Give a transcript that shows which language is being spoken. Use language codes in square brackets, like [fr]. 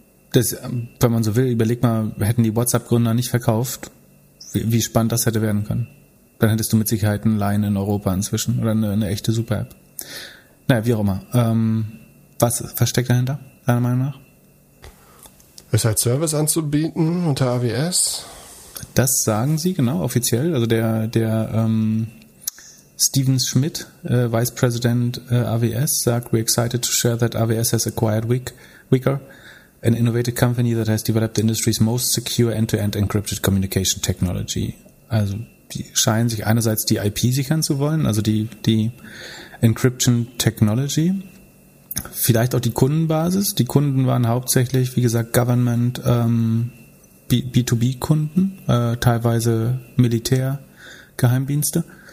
[de] Das, wenn man so will, überleg mal, hätten die WhatsApp-Gründer nicht verkauft, wie spannend das hätte werden können. Dann hättest du mit Sicherheit einen Line in Europa inzwischen oder eine echte Super-App. Naja, wie auch immer. Was steckt dahinter, deiner Meinung nach? Ist halt Service anzubieten unter AWS. Das sagen sie, genau, offiziell. Also der Stevens Schmidt, [en] Vice President AWS, [de] sagt, [en] we're excited to share that AWS has acquired Wicker, an innovative company that has developed the industry's most secure end-to-end encrypted communication technology. [de] Also die scheinen sich einerseits die IP sichern zu wollen, also die Encryption Technology, vielleicht auch die Kundenbasis. Die Kunden waren hauptsächlich, wie gesagt, Government B2B-Kunden, teilweise Militär-Geheimdienste.